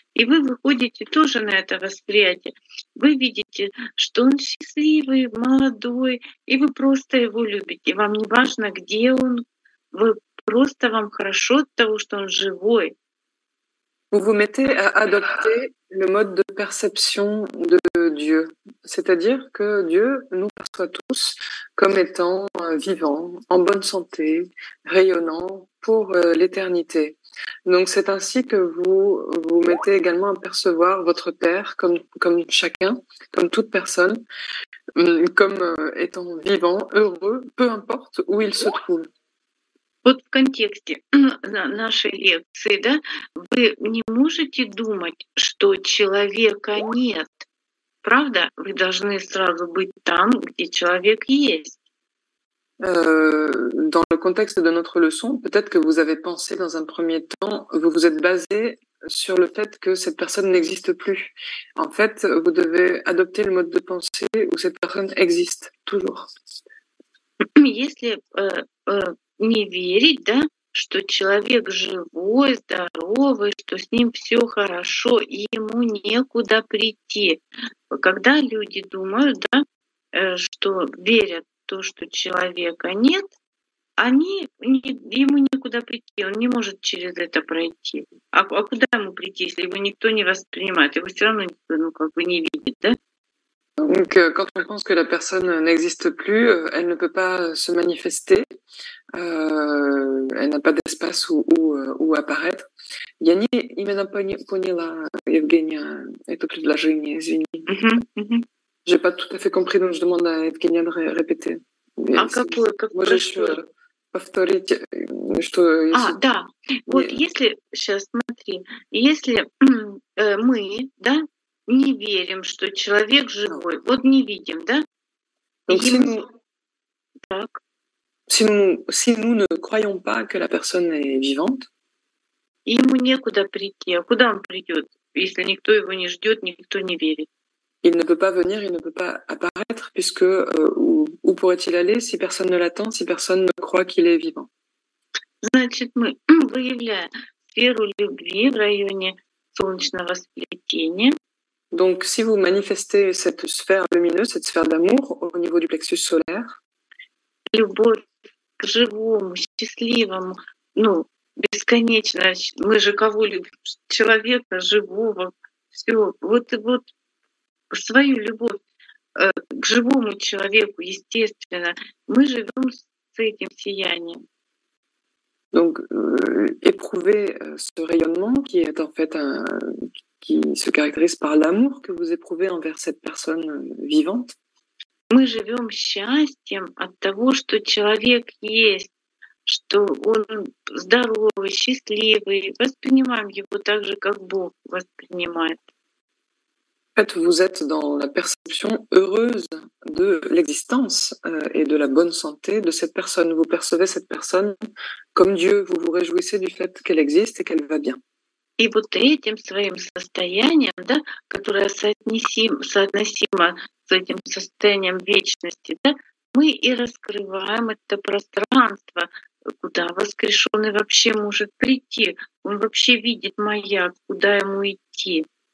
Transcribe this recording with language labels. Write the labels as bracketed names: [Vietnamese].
[Russian] И вы выходите тоже на это восприятие. Вы видите, что Он счастливый, молодой, и вы просто Его любите. Вам не важно, где Он, вы просто вам хорошо от того, что Он живой. [French] Vous vous mettez à adopter le mode de perception de Dieu, c'est-à-dire que Dieu nous perçoit tous comme étant vivant, en bonne santé, rayonnant pour l'éternité. Donc c'est ainsi que vous vous mettez également à percevoir votre Père comme chacun, comme toute personne, comme étant vivant, heureux, peu importe où il se trouve. [Russian] Вот в контексте нашей лекции, да, вы не можете думать, что человека нет, правда? Вы должны сразу быть там, где человек есть. [French] Dans le contexte de notre leçon, peut-être que vous avez pensé dans un premier temps, vous vous êtes basé sur le fait que cette personne n'existe plus. En fait, vous devez adopter le mode de pensée où cette personne existe toujours. [Russian] Если не верить, да, что человек живой, здоровый, что с ним все хорошо, и ему некуда прийти. Когда люди думают, да, что верят в то, что человека нет, они ему некуда прийти, он не может через это пройти. А куда ему прийти, если его никто не воспринимает, его все равно никто, ну, как бы не видит, да? [French] Donc, quand on pense que la personne n'existe plus, elle ne peut pas se manifester, elle n'a pas d'espace où apparaître. [Russian] Я не именно поняла, Евгения, это предложение, извини. [French] J'ai pas tout à fait compris, donc je demande à Евгения de répéter. [Russian] А какое, какое что? Повторить, что... А, да. Вот если, сейчас смотри, если мы, да, не верим, что человек живой. Вот не видим, да? [French] Si nous ne croyons pas que la personne est vivante, [Russian] ему некуда прийти. А куда он придет, если никто его не ждет, никто не верит? [French] Il ne peut pas venir, il ne peut pas apparaître, puisque où pourrait-il aller si personne ne l'attend, si personne ne croit qu'il est vivant? [Russian] Значит, мы выявляем сферу любви в районе солнечного сплетения. [French] Donc, si vous manifestez cette sphère lumineuse, cette sphère d'amour au niveau du plexus solaire, [Russian] любовь к живому, счастливому, ну, бесконечно, мы же кого любим? Человека живого, всё, вот свою любовь к живому человеку, естественно, мы живём с этим сиянием. [French] Donc, éprouvez ce rayonnement qui est en fait un... qui se caractérise par l'amour que vous éprouvez envers cette personne vivante. [Russian] Мы живём счастьем от того, что человек есть, что он здоровый, счастливый, воспринимаем его так же, как Бог воспринимает. [French] En fait, vous êtes dans la perception heureuse de l'existence et de la bonne santé de cette personne. Vous percevez cette personne comme Dieu. Vous vous réjouissez du fait qu'elle existe et qu'elle va bien. [Russian] И вот этим своим состоянием, да, которое соотносимо с этим состоянием вечности, да, мы и раскрываем это пространство, куда воскрешенный вообще может прийти. Он вообще видит маяк, куда ему идти.